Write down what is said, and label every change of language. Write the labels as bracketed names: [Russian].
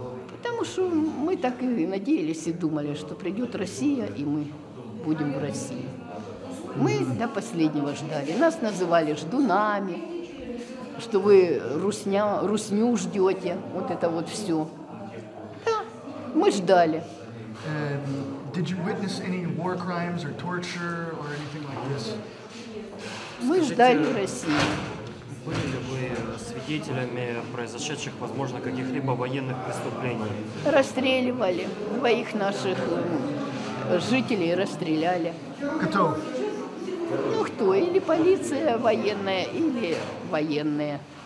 [Russian] Потому что мы так и надеялись и думали, что придет Россия, и мы будем в России. Мы до последнего ждали. Нас называли ждунами, что вы русню ждете, вот это вот все. Да, мы ждали. [English] Did you witness any war crimes or torture or anything like this? [Russian] Мы ждали России. Были ли вы свидетелями произошедших, возможно, каких-либо военных преступлений? Расстреливали. Двоих наших жителей расстреляли. Кто? Ну, кто? Или полиция военная, или военные.